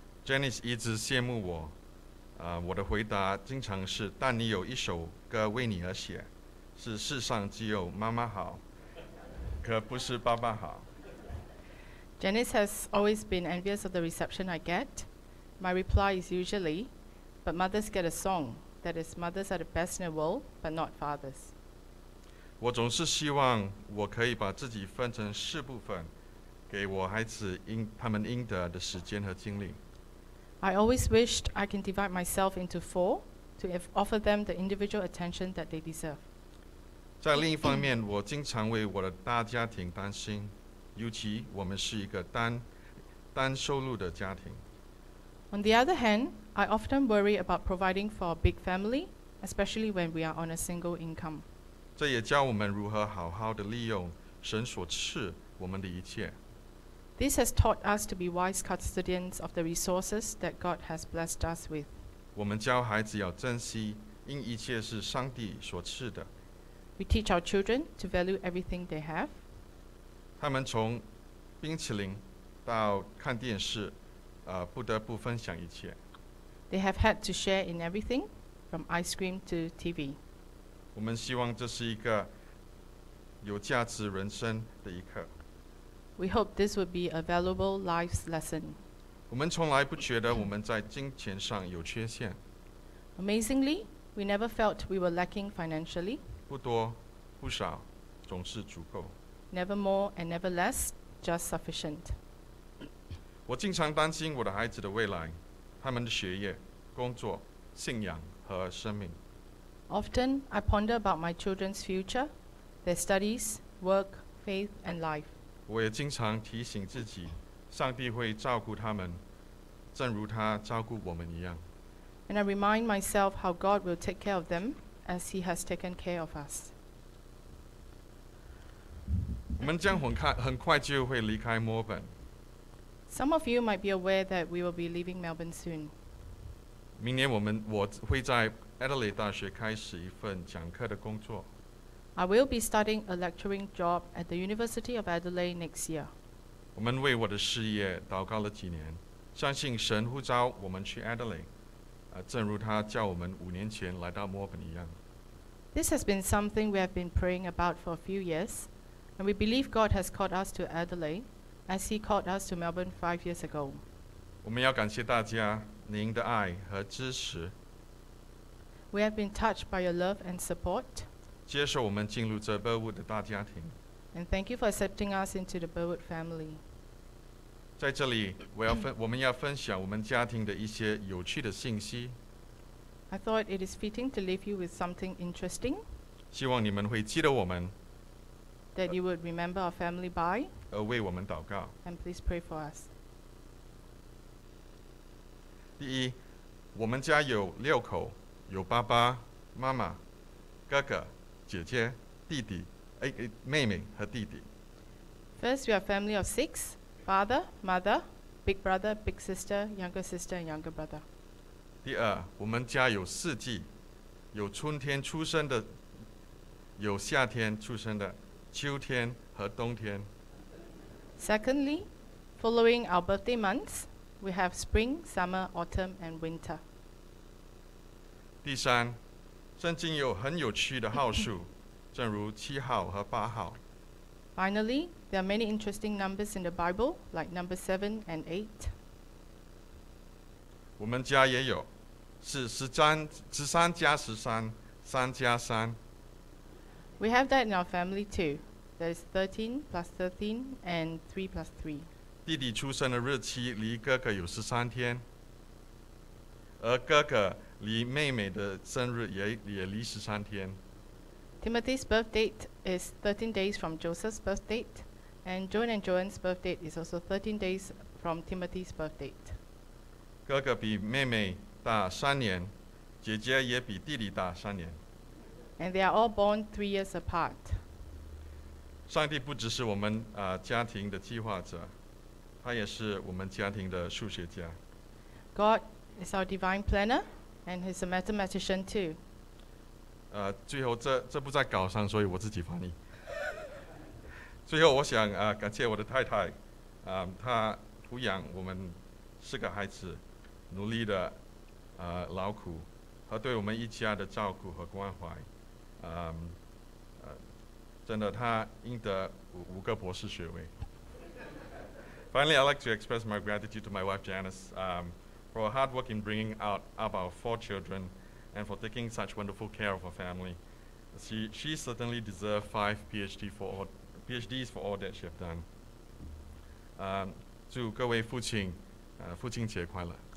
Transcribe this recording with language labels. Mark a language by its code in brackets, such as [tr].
[zh] Janice 一直羡慕我，我的回答经常是：但你有一首歌为你而写，是世上只有妈妈好，可不是爸爸好。 [en] Janice has always been envious of the reception I get. My reply is usually, but mothers get a song. That is, mothers are the best in the world, but not fathers. [zh] 我总是希望我可以把自己分成四部分，给我孩子他们应得的时间和精力。 [en] I always wished I can divide myself into four to offer them the individual attention that they deserve. [zh] 在另一方面，我经常为我的大家庭担心。尤其我们是一个单收入的家庭。 [en] On the other hand, I often worry about providing for a big family, especially when we are on a single income. [zh] 这也教我们如何好好地利用神所赐我们的一切。 [en] This has taught us to be wise custodians of the resources that God has blessed us with. [zh] 我们教孩子要珍惜，因一切是上帝所赐的。 [en] We teach our children to value everything they have. [zh] 他们从冰淇淋到看电视，不得不分享一切。 [en] They have had to share in everything, from ice cream to TV. [zh] 我们希望这是一个有价值人生的一课。 [en] We hope this would be a valuable life's lesson. [zh] 我们从来不觉得我们在金钱上有缺陷。 [en] Amazingly, we never felt we were lacking financially. [zh] 不多，不少，总是足够。 [en] Never more and never less, just sufficient. [zh] 我经常担心我的孩子的未来，他们的学业、工作、信仰和生命。 [en] Often, I ponder about my children's future, their studies, work, faith, and life. [zh] 我也经常提醒自己，上帝会照顾他们，正如他照顾我们一样。 [en] And I remind myself how God will take care of them as He has taken care of us. [zh] 我们将很快就会离开墨尔本。 [en] Some of you might be aware that we will be leaving Melbourne soon. [zh] 明年我会在 Adelaide 大学开始一份讲课的工作。 [en] I will be starting a lecturing job at the University of Adelaide next year. [zh] 我们为我的事业祷告了几年，相信神呼召我们去 Adelaide， 正如他叫我们五年前来到墨尔本一样。 [en] This has been something we have been praying about for a few years. And we believe God has called us to Adelaide, as He called us to Melbourne 5 years ago. [zh] 我们要感谢大家您的爱和支持。 [en] We have been touched by your love and support. [zh] 接受我们进入这 Burwood 的大家庭。 [en] And thank you for accepting us into the Burwood family. [zh] 在这里，我们要分享我们家庭的一些有趣的信息。 [en] I thought it is fitting to leave you with something interesting. [zh] 希望你们会记得我们。 [en] That you would remember our family by, [zh] 而为我们祷告。 [en] And please pray for us. [zh] 第一，我们家有六口，有爸爸妈妈、哥哥、姐姐、弟弟、妹妹和弟弟。 [en] First, we are a family of six: father, mother, big brother, big sister, younger sister, and younger brother. [zh] 第二，我们家有四季，有春天出生的，有夏天出生的，秋天和冬天。 [en] Secondly, following our birthday months, we have spring, summer, autumn, and winter. [zh] 第三，圣经有很有趣的号数，正如七号和八号。 [en] Finally, there are many interesting numbers in the Bible, like number 7 and 8. [zh] 我们家也有，是13+13, 3+3. [en] We have that in our family too. That is 13+13 and 3+3. [zh] 弟弟出生的日期离哥哥有13天，而哥哥离妹妹的生日 也离13天。 [en] Timothy's birth date is 13 days from Joseph's birth date, and Joan and Joanne's birth date is also 13 days from Timothy's birth date. [zh] 哥哥比妹妹大三年，姐姐也比弟弟大三年。 [en] And they are all born 3 years apart. [zh] 上帝不只是我们家庭的计划者，他也是我们家庭的数学家。 [en] God is our divine planner, and he's a mathematician too. [zh] 最后这不在稿上，所以我自己翻译。最后我想感谢我的太太，她抚养我们四个孩子，努力的劳苦，和对我们一家的照顾和关怀，真的她赢得5个博士学位。 [en] Finally, I'd like to express my gratitude to my wife Janice, for her hard work in bringing up our 4 children. And for taking such wonderful care of her family. She certainly deserves 5 PhDs for all that she has done. [zh] 祝各位父亲父亲节快乐。